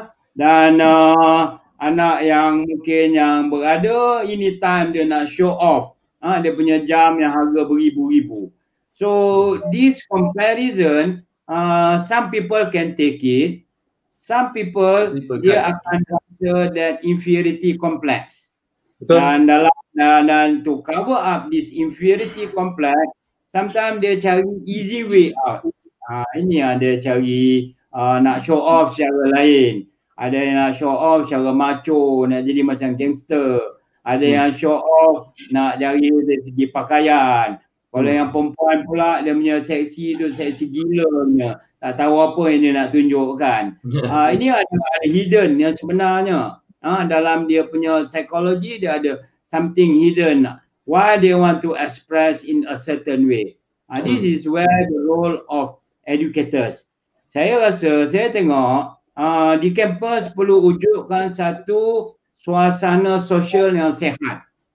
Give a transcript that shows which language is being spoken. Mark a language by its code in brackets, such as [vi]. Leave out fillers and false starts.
[ms] Dan anak yang mungkin yang berada, ini time dia nak [en] show off. [ms] Dia punya jam yang harga beribu-ribu. [en] So this comparison, some people can take it. Some people [ms] dia akan rasa [en] that inferiority complex. Betul. [ms] Dan dalam dan [en] to cover up this inferiority complex, sometimes [ms] dia cari [en] easy way out. [ms] Ini yang dia cari, nak show off secara lain. Ada yang nak show off secara macho, nak jadi macam gangster. Ada yang show off nak cari dari segi pakaian. Kalau yang perempuan pula, dia punya seksi tu seksi gila punya. Tak tahu apa yang dia nak tunjukkan. Ini ada hidden yang sebenarnya. Dalam dia punya psikologi, dia ada [en] something hidden. Why they want to express in a certain way. This is where the role of educators. [ms] Saya rasa, saya tengok di kampus perlu wujudkan satu suasana sosial yang sehat.